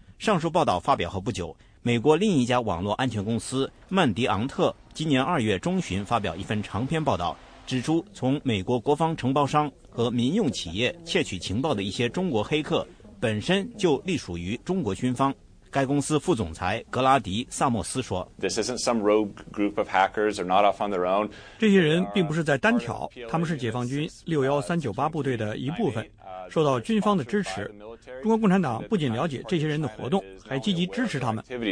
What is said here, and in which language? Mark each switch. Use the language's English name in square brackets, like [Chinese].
[Chinese] 上述报道发表后不久，美国另一家网络安全公司曼迪昂特今年2月中旬发表一份长篇报道，指出从美国国防承包商和民用企业窃取情报的一些中国黑客本身就隶属于中国军方。该公司副总裁格拉迪·萨莫斯说， [English] This isn't some rogue group of hackers, they're not off on their own. [Chinese] 这些人并不是在单挑，他们是解放军61398部队的一部分，受到军方的支持。中国共产党不仅了解这些人的活动，还积极支持他们。